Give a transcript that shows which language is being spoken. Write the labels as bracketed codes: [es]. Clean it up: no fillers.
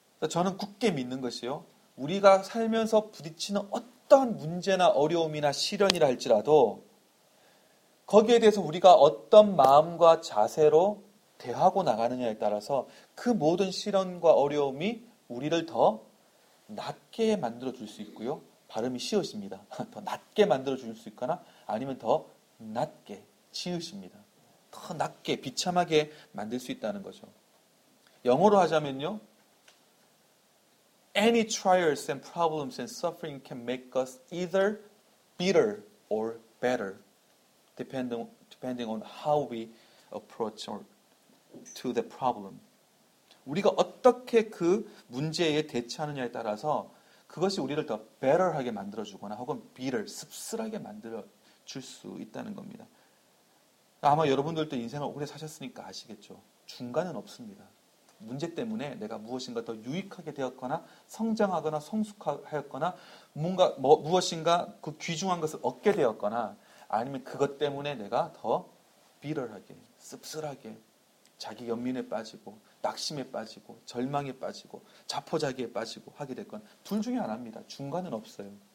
[ko] 저는 굳게 믿는 것이요. 우리가 살면서 부딪히는 어떤 문제나 어려움이나 시련이라 할지라도 거기에 대해서 우리가 어떤 마음과 자세로 대하고 나가느냐에 따라서 그 모든 시련과 어려움이 우리를 더 낮게 만들어줄 수 있고요. 발음이 시옷입니다. 더 낮게 만들어줄 수 있거나 아니면 더 낮게 지으십니다. 더 낮게 비참하게 만들 수 있다는 거죠. 영어로 하자면요. [en] Any trials and problems and suffering can make us either bitter or better depending on how we approach or to the problem. [ko] 우리가 어떻게 그 문제에 대처하느냐에 따라서 그것이 우리를 더 better하게 만들어주거나 혹은 bitter, 씁쓸하게 만들어줄 수 있다는 겁니다. 아마 여러분들도 인생을 오래 사셨으니까 아시겠죠. 중간은 없습니다. 문제 때문에 내가 무엇인가 더 유익하게 되었거나 성장하거나 성숙하였거나 뭔가 무엇인가 그 귀중한 것을 얻게 되었거나 아니면 그것 때문에 내가 더 bitter하게, 씁쓸하게 자기 연민에 빠지고 낙심에 빠지고 절망에 빠지고 자포자기에 빠지고 하게 됐건 둘 중에 하나입니다. 중간은 없어요.